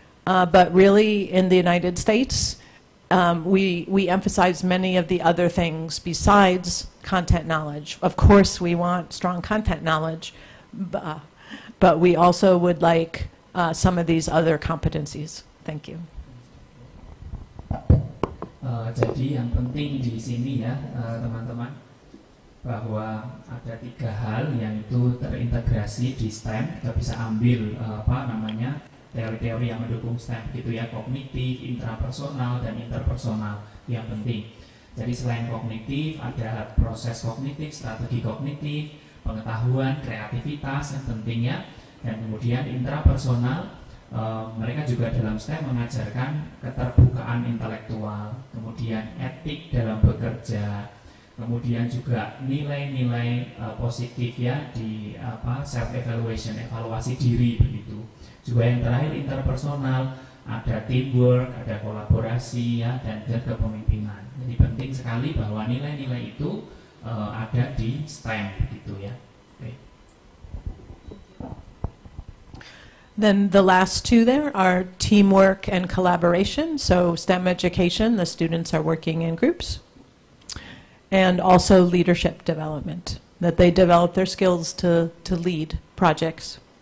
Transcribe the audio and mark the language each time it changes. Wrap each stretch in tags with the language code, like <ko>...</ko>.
<en>But really, in the United States, we emphasize many of the other things besides content knowledge. Of course, we want strong content knowledge, but we also would like some of these other competencies. Thank you.</en> <id>Jadi yang penting di sini ya, teman-teman, bahwa ada tiga hal yang itu terintegrasi di STEM. Kita bisa ambil teori-teori yang mendukung STEM gitu ya, kognitif, intrapersonal, dan interpersonal yang penting. Jadi selain kognitif, ada proses kognitif, strategi kognitif, pengetahuan, kreativitas yang pentingnya. Dan kemudian intrapersonal, mereka juga dalam STEM mengajarkan keterbukaan intelektual, kemudian etik dalam bekerja, kemudian juga nilai-nilai positif ya di self-evaluation, evaluasi diri begitu. Juga yang terakhir interpersonal, ada teamwork, ada kolaborasi, ya, dan kepemimpinan. Jadi penting sekali bahwa nilai-nilai itu ada di STEM, gitu ya.</id> <en>Okay. Then the last two there are teamwork and collaboration. So STEM education, the students are working in groups. And also leadership development, that they develop their skills to lead projects.</en>